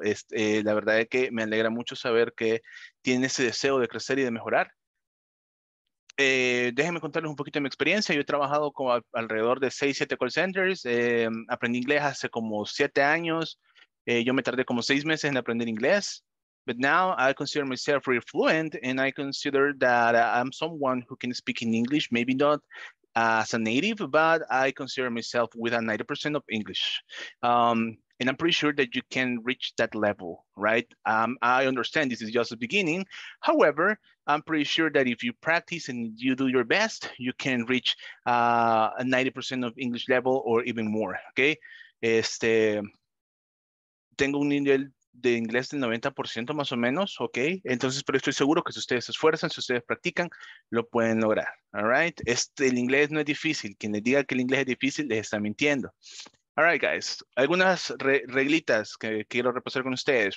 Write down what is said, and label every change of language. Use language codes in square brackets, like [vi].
[es] La verdad es que me alegra mucho saber que tiene ese deseo de crecer y de mejorar. Déjenme contarles un poquito de mi experiencia. Yo he trabajado como alrededor de 6, 7 call centers. Aprendí inglés hace como 7 años. Yo me tardé como 6 meses en aprender inglés. [en] But now I consider myself very fluent and I consider that I'm someone who can speak in English, maybe not as a native, but I consider myself with a 90% of English. And I'm pretty sure that you can reach that level, right? I understand this is just the beginning. However, I'm pretty sure that if you practice and you do your best, you can reach a 90% of English level or even more, okay? [es] Tengo un nivel de inglés del 90% más o menos, ok. Entonces, pero estoy seguro que si ustedes se esfuerzan, si ustedes practican, lo pueden lograr. [en] All right. [es] El inglés no es difícil. Quien les diga que el inglés es difícil, les está mintiendo. [en] All right, guys. [es] Algunas reglitas que quiero repasar con ustedes.